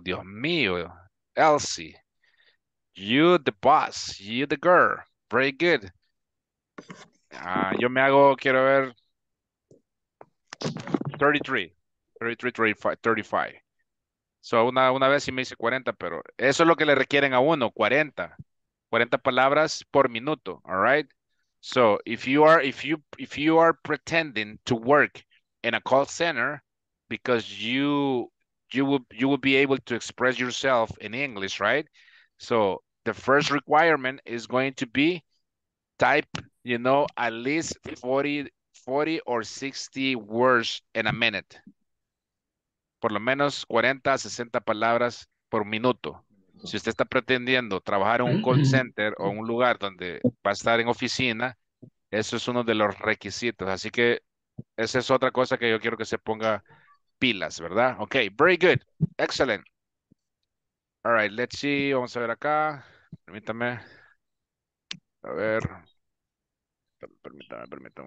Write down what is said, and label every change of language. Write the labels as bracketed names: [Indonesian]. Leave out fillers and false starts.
[English] Dios mío. Elsie, you the boss, you the girl. Very good. [Spanish] Yo me hago, quiero ver, 33, 35. So una vez sí me hice 40, pero eso es lo que le requieren a uno, 40. 40 palabras por minuto, all right? [English] So if you are pretending to work in a call center, because you will be able to express yourself in English, right? So the first requirement is going to be type, you know, at least 40 or 60 words in a minute. [Spanish] Por lo menos 40 a 60 palabras por minuto. Si usted está pretendiendo trabajar en un call center o un lugar donde va a estar en oficina, eso es uno de los requisitos. Así que esa es otra cosa que yo quiero que se ponga pilas, ¿verdad? Ok, very good. Excellent. All right, let's see. Vamos a ver acá. Permítame. A ver. Permítame.